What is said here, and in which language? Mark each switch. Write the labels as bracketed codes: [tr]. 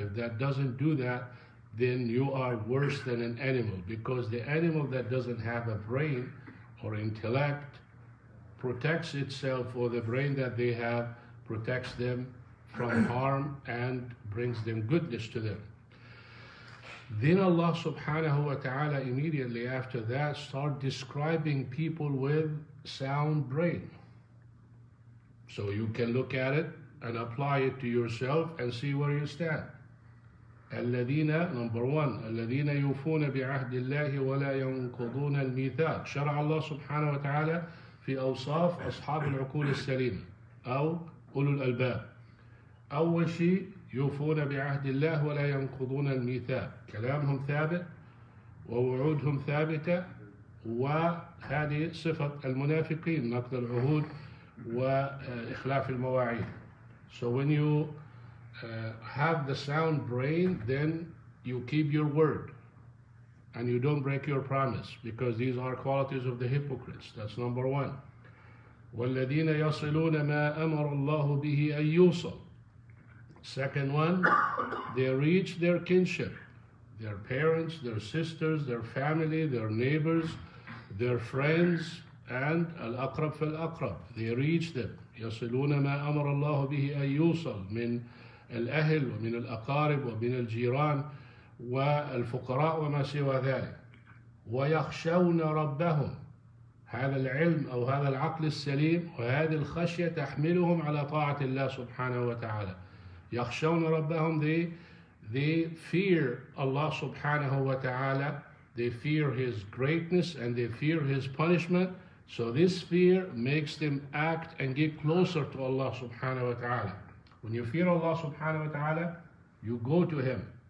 [en] If that doesn't do that, then you are worse than an animal, because the animal that doesn't have a brain or intellect protects itself, or the brain that they have protects them from harm and brings them goodness to them. Then Allah subhanahu wa ta'ala immediately after that start describing people with sound brain. So you can look at it and apply it to yourself and see where you stand. [ar] الذين, [en] number one, [ar] الذين يوفون بعهد الله ولا ينقضون الميثاق. شرع الله سبحانه وتعالى في أوصاف أصحاب العقول السليمة أو أولو الألباب. أول شيء يوفون بعهد الله ولا ينقضون الميثاق. كلامهم ثابت ووعودهم ثابتة، وهذه صفة المنافقين، نقض العهود وإخلاف المواعيد. [en] So when you have the sound brain, then you keep your word and you don't break your promise, because these are qualities of the hypocrites. That's number one. [ar] والذين يصلون ما أمر الله به أن يوصل. [en] Second one, they reach their kinship, their parents, their sisters, their family, their neighbors, their friends, and [ar] al-aqrab fil-aqrab. [en] They reach them. [ar] يصلون ما أمر الله به أن يوصل من الأهل ومن الأقارب ومن الجيران والفقراء وما سوى ذلك. ويخشون ربهم. هذا العلم أو هذا العقل السليم وهذه الخشية تحملهم على طاعة الله سبحانه وتعالى. يخشون ربهم، [en] they they fear Allah subhanahu wa ta'ala, they fear His greatness and they fear His punishment. So this fear makes them act and get closer to Allah subhanahu wa ta'ala. When you fear Allah subhanahu wa ta'ala, you go to Him.